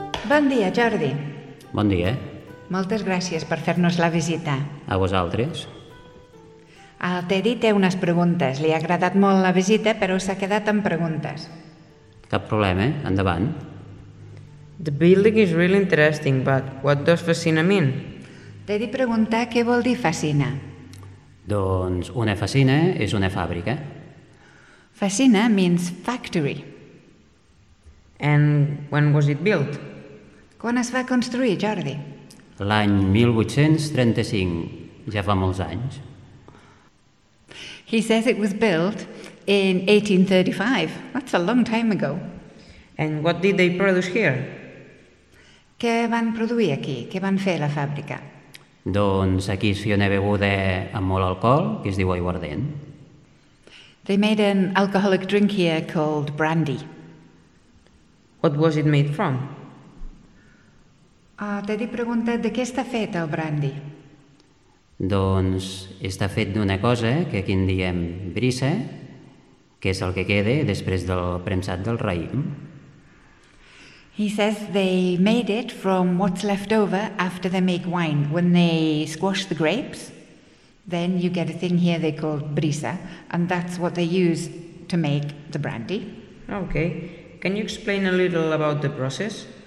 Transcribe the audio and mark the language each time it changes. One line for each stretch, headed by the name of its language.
Catalan: Bon dia, Jordi. Bon dia. Moltes gràcies per fer-nos la visita. A vosaltres. El Teddy té unes preguntes. Li ha agradat molt la visita, però s'ha quedat amb preguntes. Cap problema, endavant.
English: The building is really interesting, but what does fascina mean?
Catalan: T'he de preguntar què vol dir fascina. Doncs una fascina és una fàbrica.
English: Fascina means factory. And when was it built?
Catalan: Quan es va construir, Jordi? L'any 1835. Ja fa molts anys.
English: He says it was built in 1835. That's a long time ago. And what did they produce here?
Catalan: Què van produir aquí? Què van fer a la fàbrica? Doncs aquí es feia una beguda amb molt alcohol, que es diu aiguardent.
English: They made an alcoholic drink here called brandy. What was it made from?
Catalan: T'he de preguntar de què està fet el brandy. Doncs està fet d'una cosa que aquí en diem brisa, que és el que queda després del premsat del raïm.
English: He says they made it from what's left over after they make wine. When they squash the grapes, then you get a thing here they call brisa, and that's what they use to make the brandy. Okay. Can you explain a little about the process?